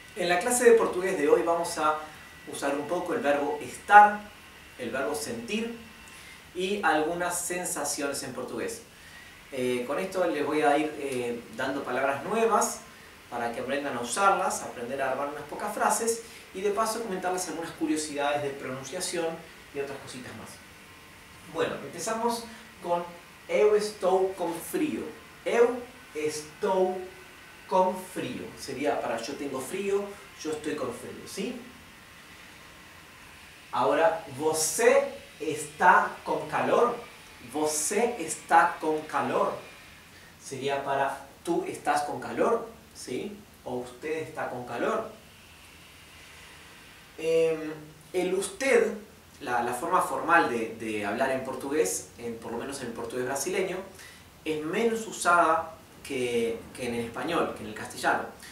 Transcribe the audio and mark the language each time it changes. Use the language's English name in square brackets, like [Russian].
[Spanish] En la clase de portugués de hoy vamos a usar un poco el verbo estar, el verbo sentir y algunas sensaciones en portugués. Con esto les voy a ir dando palabras nuevas para que aprendan a usarlas, aprender a armar unas pocas frases y de paso comentarles algunas curiosidades de pronunciación y otras cositas más. Bueno, empezamos con [Portuguese] eu estou com frio. Eu estou con frío. [Spanish] Sería para yo tengo frío, yo estoy con frío, ¿sí? [Portuguese] Ahora, você está con calor. Você está con calor. [Spanish] Sería para tú estás con calor, ¿sí? O usted está con calor. El usted, la forma formal de hablar en portugués, por lo menos en el portugués brasileño, es menos usada que en el español, que en el castellano.